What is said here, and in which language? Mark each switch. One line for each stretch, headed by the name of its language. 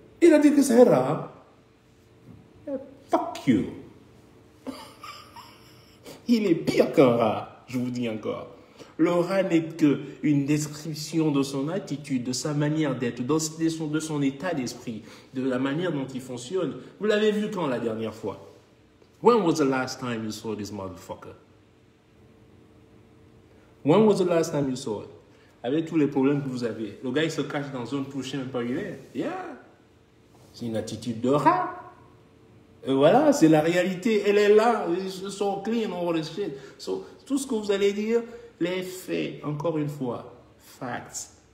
French: Il a dit que c'est rare. Fuck you. Il est pire qu'un rat, je vous dis encore. Le rat n'est qu'une description de son attitude, de sa manière d'être, de son état d'esprit, de la manière dont il fonctionne. Vous l'avez vu quand la dernière fois?
English: When was the last time you saw this motherfucker? When was the last time you saw it?
French: Avec tous les problèmes que vous avez, le gars il se cache dans un trou, je ne sais même pas où il est. Yeah! C'est une attitude de rat! Et voilà, c'est la réalité, elle est là, ils sont clean, on shit. So, tout ce que vous allez dire, les faits, encore une fois, facts.